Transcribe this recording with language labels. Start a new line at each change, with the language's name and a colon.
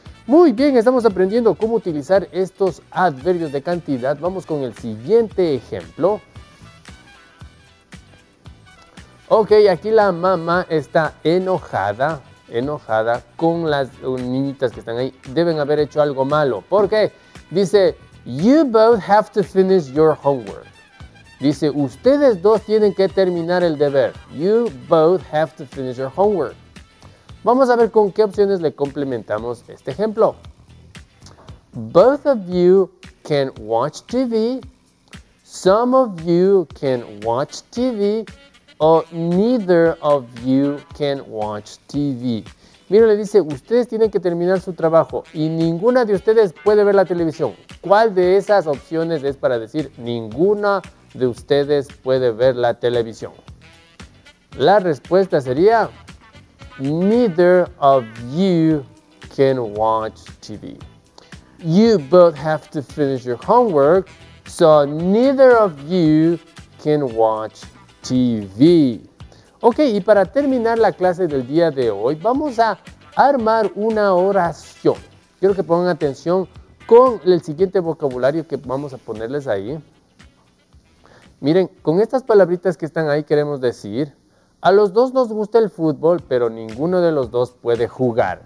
Spanish: Muy bien, estamos aprendiendo cómo utilizar estos adverbios de cantidad. Vamos con el siguiente ejemplo. Ok, aquí la mamá está enojada con las niñitas que están ahí. Deben haber hecho algo malo. ¿Por qué? Dice,
English: you both have to finish your homework.
Spanish: Dice, ustedes dos tienen que terminar el deber.
English: You both have to finish your homework.
Spanish: Vamos a ver con qué opciones le complementamos este ejemplo.
English: Both of you can watch TV. Some of you can watch TV.
Spanish: O
English: neither of you can watch TV.
Spanish: Mira, le dice, ustedes tienen que terminar su trabajo y ninguna de ustedes puede ver la televisión. ¿Cuál de esas opciones es para decir ninguna de ustedes puede ver la televisión? La respuesta sería
English: neither of you can watch TV. You both have to finish your homework, so neither of you can watch TV.
Spanish: Ok, y para terminar la clase del día de hoy, vamos a armar una oración. Quiero que pongan atención con el siguiente vocabulario que vamos a ponerles ahí. Miren, con estas palabritas que están ahí queremos decir, a los dos nos gusta el fútbol, pero ninguno de los dos puede jugar.